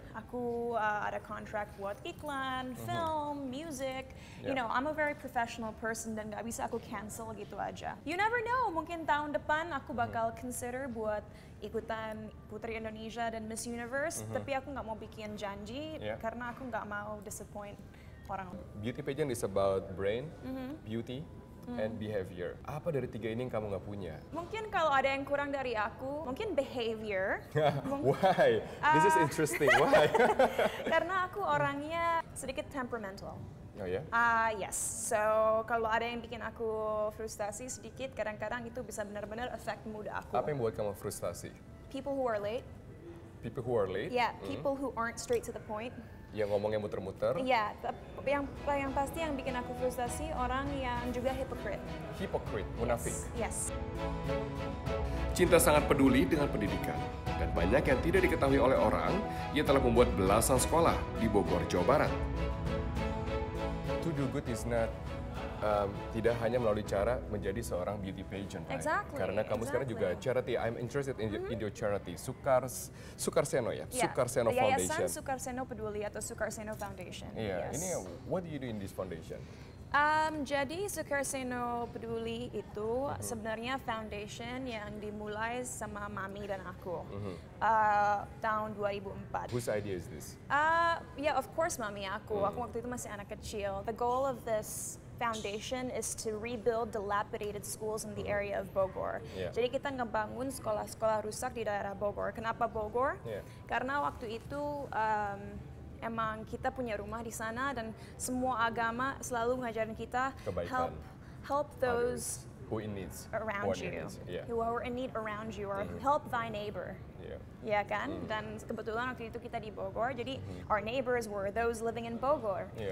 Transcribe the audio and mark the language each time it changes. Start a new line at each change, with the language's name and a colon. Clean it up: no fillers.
Indonesian: Aku ada kontrak buat iklan, film, music.
English: You know, I'm a very professional person
Indonesian: dan nggak bisa aku cancel gitu aja.
English: You never know,
Indonesian: mungkin tahun depan aku bakal consider buat ikutan Putri Indonesia dan Miss Universe. Tapi aku nggak mau bikin janji karena aku nggak mau disappoint orang.
English: Beauty pageant is about brain, beauty, and behavior.
Indonesian: Apa dari tiga ini yang kamu nggak punya? Mungkin kalau ada yang kurang dari aku, mungkin behavior.
English: Why? This is interesting. Why?
Indonesian: Karena aku orangnya sedikit temperamental. Oh ya? Yeah? Yes. So, kalau ada yang bikin aku frustasi sedikit, kadang-kadang itu bisa benar-benar affect mood aku. Apa yang buat kamu frustasi?
English: People who are late. People who are late? Yeah, people who aren't straight to the point.
Indonesian: Yang ngomongnya muter-muter. Iya, tapi yang pasti yang bikin aku frustasi orang yang juga hipokrit. Hipokrit, munafik.
English: Yes.
Indonesian: Cinta sangat peduli dengan pendidikan. Dan banyak yang tidak diketahui oleh orang, ia telah membuat belasan sekolah di Bogor, Jawa Barat.
English: To do good is not
Indonesian: tidak hanya melalui cara menjadi seorang beauty pageant, right?
English: Exactly.
Indonesian: Karena kamu sekarang juga charity.
English: I'm interested in your charity. Sukarseno ya? Yeah. Sukarseno Foundation.
Indonesian: Yayasan Sukarseno Peduli atau Sukarseno Foundation. Iya. Ini,
English: what do you do in this foundation?
Indonesian: Jadi Sukarseno Peduli itu sebenarnya foundation yang dimulai sama mami dan aku tahun 2004.
English: Whose idea is this? Yeah, of course
Indonesian: mami aku. Aku waktu itu masih anak kecil.
English: The goal of this foundation is to rebuild dilapidated schools in the area of Bogor.
Indonesian: Yeah. Jadi kita ngebangun sekolah-sekolah rusak di daerah Bogor. Kenapa Bogor? Yeah. Karena waktu itu emang kita punya rumah di sana dan semua agama selalu ngajarin kita kebaikan.
English: help those who in needs around you, who are in need around you, or help thy neighbor. Yeah.
Indonesian: Ya kan? Dan kebetulan waktu itu kita di Bogor, jadi
English: our neighbors were those living in Bogor.